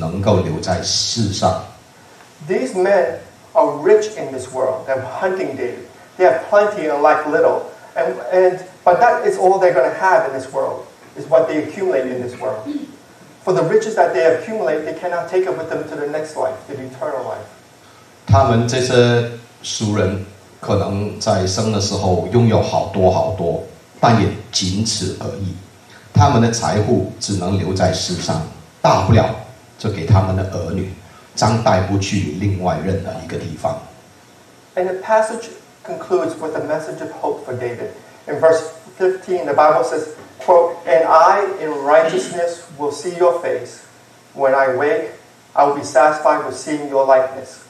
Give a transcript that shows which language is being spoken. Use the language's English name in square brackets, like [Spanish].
[Chinese] 他说：“主啊，求你再把我从这个俗人手上脱困。那最重要要注意，这些俗人呢，拥有的财富，拥有的东西，只能够留在世上。” [English] These men are rich in this world. They're hunting David. They have plenty and lack little, but that is all they're going to have in this world, is what they accumulate in this world. For the riches that they accumulate, they cannot take it with them to the next life, to the eternal life. [Chinese] 他们这些俗人可能在生的时候拥有好多好多，但也仅此而已。他们的财富只能留在世上，大不了就给他们的儿女，将带不去另外任何一个地方。 [English] And the passage concludes with a message of hope for David. In verse 15, the Bible says, quote, And I, in righteousness, will see your face. When I wake, I will be satisfied with seeing your likeness.